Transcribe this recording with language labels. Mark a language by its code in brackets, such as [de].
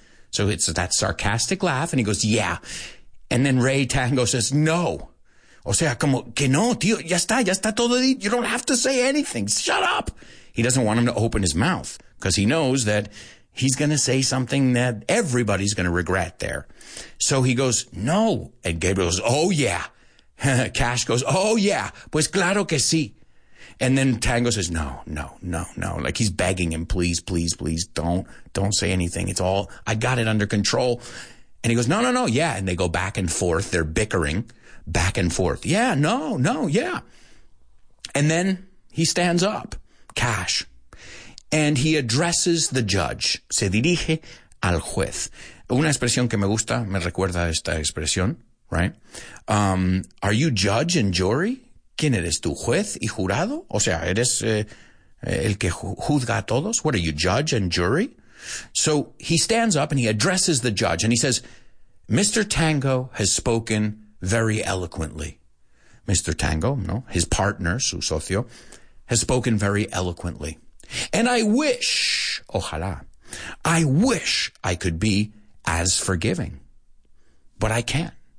[en] So it's that sarcastic laugh. And he goes, yeah. And then Ray Tango says, no. [es] O sea, como que no, tío. Ya está todo. [en] You don't have to say anything. Shut up. He doesn't want him to open his mouth because he knows that he's going to say something that everybody's going to regret there. So he goes, no. And Gabriel goes, oh, yeah. Cash goes, oh, yeah, [es] pues claro que sí. [en] And then Tango says, no, no, no, no. Like he's begging him, please, please, please don't say anything. It's all, I got it under control. And he goes, no, no, no, yeah. And they go back and forth. They're bickering back and forth. Yeah, no, no, yeah. And then he stands up, Cash, and he addresses the judge. [es] Se dirige al juez. Una expresión que me gusta, me recuerda esta expresión. [en] Right? Are you judge and jury? [es] ¿Quién eres tú, juez y jurado? O sea, ¿eres el que juzga a todos? [en] What are you, judge and jury? So he stands up and he addresses the judge and he says, Mr. Tango has spoken very eloquently. Mr. Tango, no, his partner, [es] su socio, [en] has spoken very eloquently. And I wish, [es] ojalá, [en] I wish I could be as forgiving. But I can't.